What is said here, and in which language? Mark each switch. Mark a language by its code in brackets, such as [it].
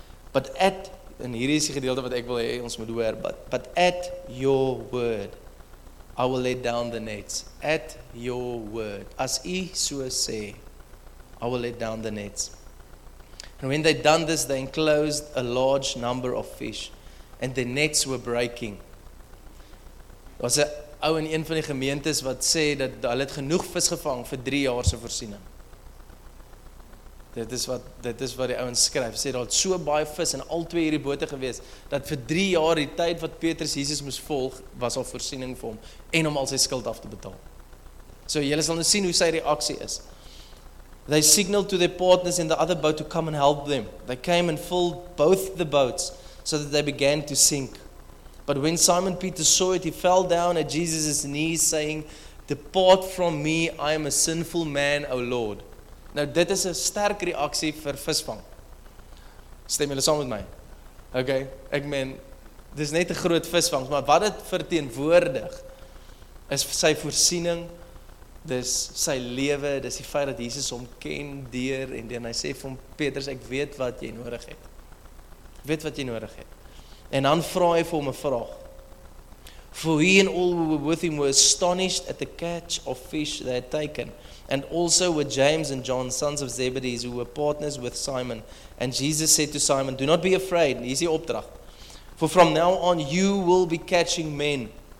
[en] But at, [af] en hier is die gedeelte wat ek wil hê ons moet hoor, [en] but at your word, I will let down the nets. At your word. [af] As u so sê, [en] I will let down the nets. And when they'd done this, they enclosed a large number of fish. And the nets were breaking. [af] Daar was 'n ou in een van die gemeentes wat sê dat hulle het genoeg vis gevang vir 3 jaar se voorsiening. Dit is wat die ouens skryf. Sê daar het so baie vis in al 2 hierdie bote gewees, dat vir 3 jaar die tyd wat Petrus Jesus moes volg, was al voorsiening vir hom, en om al sy skuld af te betaal. So julle sal nou sien hoe sy reaksie is. [en] They signaled to their partners in the other boat to come and help them. They came and filled both the boats so that they began to sink. But when Simon Peter saw it, he fell down at Jesus' knees saying, Depart from me, I am a sinful man, O Lord. [af] Nou dit is 'n sterk reaksie vir visvang. Stem julle saam met my? Okay, ek meen, dit is net 'n groot visvang, maar wat dit verteenwoordig is sy voorsiening, dis sy lewe, dis die feit dat Jesus hom ken deur en dan hy sê vir hom, Petrus, ek weet wat jy nodig het. Weet wat jy nodig het. En dan vra hy vir hom 'n vraag. [en] For he and all who were with him were astonished at the catch of fish they had taken. And also with James and John, sons of Zebedee, who were partners with Simon. And Jesus said to Simon, Do not be afraid. [af] Hier is die opdracht. [en] For from now on you will be catching men.